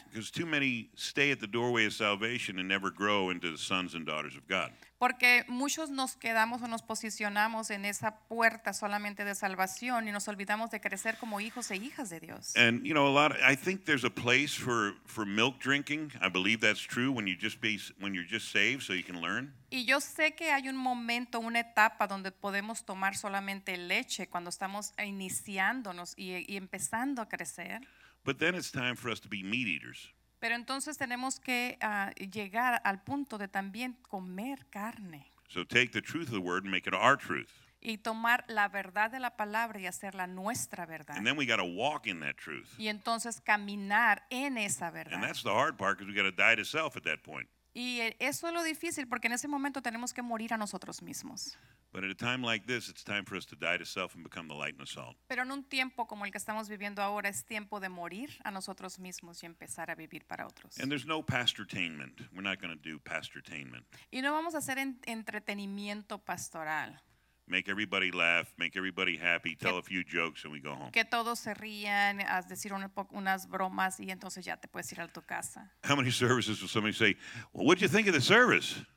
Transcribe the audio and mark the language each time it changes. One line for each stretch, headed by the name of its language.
English: Because too many stay at the doorway of salvation and never grow into the sons and daughters of God.
Spanish: Porque muchos nos quedamos o nos posicionamos en esa puerta solamente de salvación y nos olvidamos de crecer como hijos e hijas de Dios.
English: And you know, a lot of, I think there's a place for milk drinking. I believe that's true when you're just saved so you can learn.
Spanish: Y yo sé que hay un momento, una etapa donde podemos tomar solamente leche cuando estamos iniciándonos y empezando a crecer.
English: But then it's time for us to be meat eaters.
Spanish: Pero entonces tenemos que llegar al punto de también comer carne.
English: So take the truth of the word and make it our truth.
Spanish: Y tomar la verdad de la palabra y hacerla nuestra verdad.
English: And then we got to walk in that truth.
Spanish: Y entonces caminar en esa verdad.
English: And that's the hard part because we got to die to self at that point.
Spanish: Y eso es lo difícil porque en ese momento tenemos que morir a nosotros mismos.
English: But at a time like this, it's time for us to die to self and become the light and the salt.
Spanish: Pero en un tiempo como el que estamos viviendo ahora, es tiempo de morir a nosotros mismos y empezar a vivir para otros.
English: And there's no pastortainment. We're not going to do pastortainment.
Spanish: Y no vamos a hacer entretenimiento pastoral.
English: Make everybody laugh, make everybody happy, tell a few jokes, and we go home.
Spanish: Que todos se rían, haz decir unas bromas, y entonces ya te puedes ir a tu casa.
English: How many services will somebody say, well, what did you think of the service?